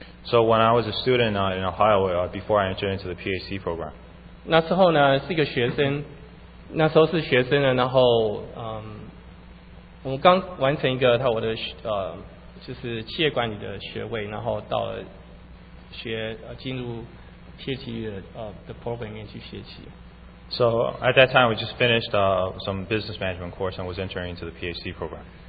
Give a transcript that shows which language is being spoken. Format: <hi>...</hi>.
<en>So when I was a student in Ohio, before I entered into the PhD program.</en> <zh>那时候呢是一个学生，那时候是学生呢，然后我刚完成一个我的就是企业管理的学位，然后到了学进入 PhD 的 program 里面去学习。</zh> <en>So at that time, we just finished some business management course and was entering into the PhD program.</en>